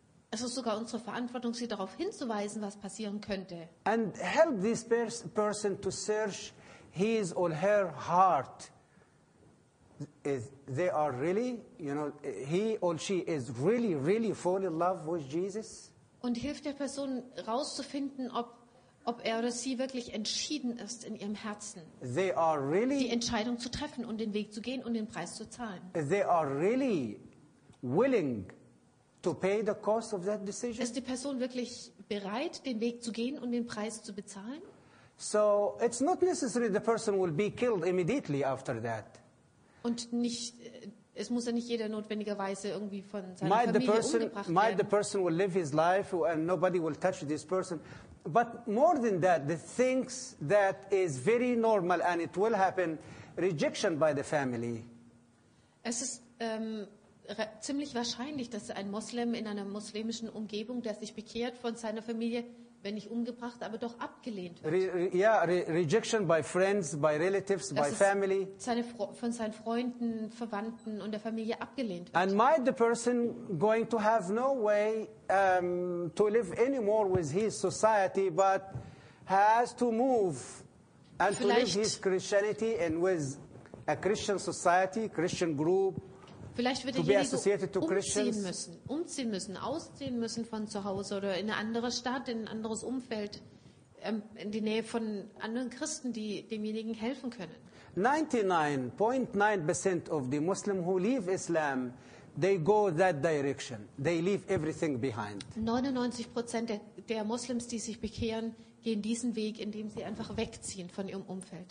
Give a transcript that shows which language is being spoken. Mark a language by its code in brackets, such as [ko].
[de] Es ist sogar unsere Verantwortung, sie darauf hinzuweisen, was passieren könnte. [en] And help this person to search his or her heart. Is they are really, you know, he or she is really, really fall in love with Jesus. [de] Und hilft der Person rauszufinden, ob er oder sie wirklich entschieden ist in ihrem Herzen. [en] They are really, [de] die Entscheidung zu treffen und den Weg zu gehen und den Preis zu zahlen. [en] They are really willing to pay the cost of that decision? [de] Ist die Person wirklich bereit, den Weg zu gehen und den Preis zu bezahlen? [en] So it's not necessary the person will be killed immediately after that. [de] Und nicht, es muss ja nicht jeder notwendigerweise irgendwie von seiner Familie umgebracht werden. [en] Might the person will live his life and nobody will touch this person. But more than that, the things that is very normal and it will happen, rejection by the family. [de] Es ist ziemlich wahrscheinlich, dass ein Moslem in einer muslimischen Umgebung, der sich bekehrt von seiner Familie, wenn nicht umgebracht, aber doch abgelehnt wird. [en] Rejection by friends, by relatives, by family. [de] Von seinen Freunden, Verwandten und der Familie abgelehnt wird. [en] And might the person going to have no way to live anymore with his society, but has to move and [de] vielleicht, [en] to live his Christianity and with a Christian society, Christian group. [de] Vielleicht wird derjenige umziehen müssen, ausziehen müssen von zu Hause oder in eine andere Stadt, in ein anderes Umfeld, in die Nähe von anderen Christen, die demjenigen helfen können. [en] 99.9% of the Muslims who leave Islam, they go that direction. They leave everything behind. [de] 99% der Muslims, die sich bekehren, gehen diesen Weg, indem sie einfach wegziehen von ihrem Umfeld.